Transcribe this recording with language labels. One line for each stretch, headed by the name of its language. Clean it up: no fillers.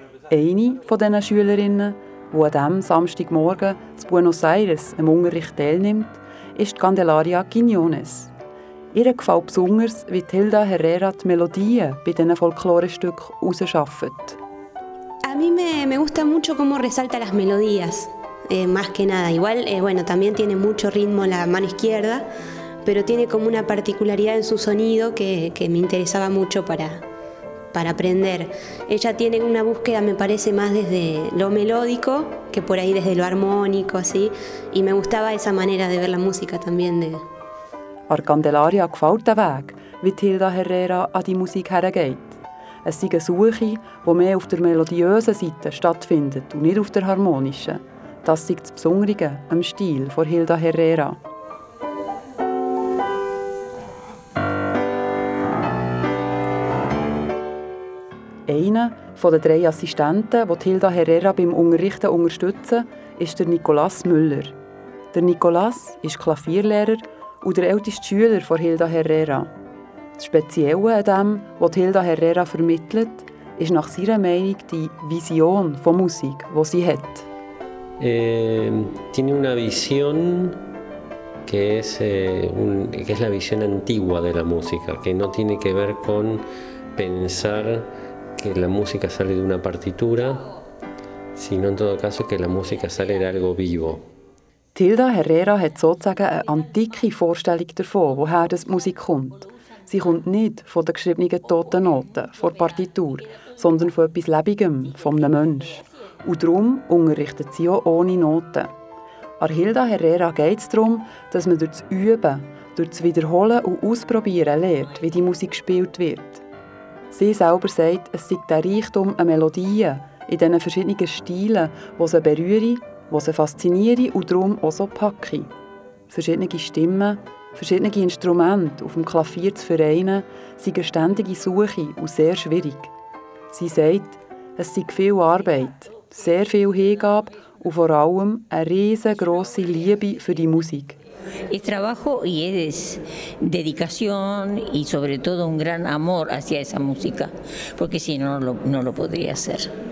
German: Eine von diesen Schülerinnen, die an diesem Samstagmorgen in Buenos Aires am Unterricht teilnimmt, ist die Candelaria Quiñones. Ihr gefällt besonders, wie Hilda Herrera die Melodien bei diesen Folklorestücken herausarbeitet.
Spanish: A mí me gusta mucho cómo resalta las melodías, más que nada. Igual, bueno, también tiene mucho ritmo la mano izquierda, pero tiene como una particularidad en su sonido que me interesaba mucho para aprender. Ella tiene una búsqueda, me parece, más desde lo melódico que por ahí desde lo armónico, así. Y me gustaba esa manera de ver la música también.
German: Ar Candelaria gefällt der Weg, wie Hilda Herrera an die Musik herangeht. Es sei eine Suche, die mehr auf der melodiösen Seite stattfindet und nicht auf der harmonischen. Das sei das Besondere am Stil von Hilda Herrera. Einer der 3 Assistenten, die Hilda Herrera beim Unterrichten unterstützen, ist der Nicolas Müller. Der Nicolas ist Klavierlehrer und der älteste Schüler von Hilda Herrera. Das Spezielle an dem, was Hilda Herrera vermittelt, ist nach seiner Meinung die Vision von Musik, die sie hat. Tiene una visión que es que es la visión antigua de la música, que no tiene que ver con pensar que la música sale de una partitura, sino en todo caso que la música sale de algo vivo. Hilda Herrera hat sozusagen eine antike Vorstellung davon, woher das Musik kommt. Sie kommt nicht von den geschriebenen toten Noten, von der Partitur, sondern von etwas Lebendigem, von einem Menschen. Und darum unterrichtet sie auch ohne Noten. An Hilda Herrera geht es darum, dass man durch das Üben, durch das Wiederholen und Ausprobieren lernt, wie die Musik gespielt wird. Sie selber sagt, es sei der Reichtum an Melodien in diesen verschiedenen Stilen, die sie berühren, die sie faszinieren und darum auch so packen. Verschiedene Stimmen, verschiedene Instrumente auf dem Klavier zu vereinen, sind eine ständige Suche und sehr schwierig. Sie sagt, es sei viel Arbeit, sehr viel Hingabe und vor allem eine riesengroße Liebe für die Musik.
Spanish: Es trabajo y es dedicación y sobre todo un gran amor hacia esa música, porque si no, no lo podría hacer.